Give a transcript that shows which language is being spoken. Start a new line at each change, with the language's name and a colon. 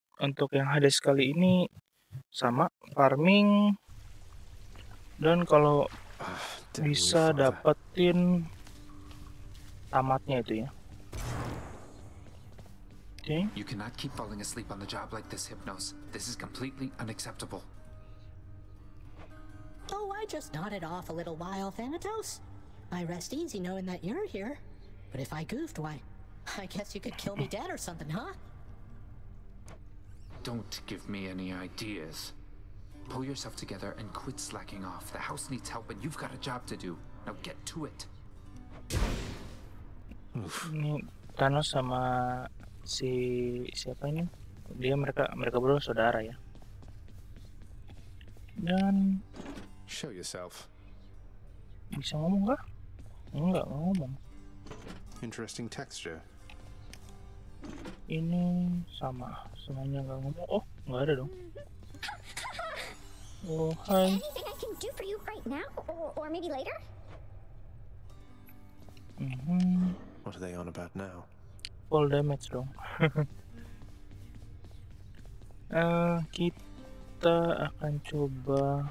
Indonesian: Untuk yang Hades kali ini sama farming. Dan kalau bisa dapetin tamatnya itu ya.
English: Okay. You cannot keep falling asleep on the job like this, Hypnos. This is completely unacceptable. Oh, I just nodded off a little while, Thanatos. I rest easy knowing that you're here. But if I goofed, why, I guess you could kill me dead or something, huh? Don't give me any ideas. Pull yourself together and quit slacking off. The house needs help, and you've got a job to do. Now get to it.
Indonesian: Oof. Thanos sama si siapa ini? Dia mereka berdua saudara ya. Dan
English: show yourself.
Indonesian: Bisa ngomong gak? Enggak ngomong.
English: Interesting texture.
Indonesian: Ini sama semuanya nggak ngomong. Oh, nggak ada dong. Oh, hai.
English: Anything I can do for you right now, or maybe later? What are they on about now? Full damage dong.
Indonesian: kita akan coba.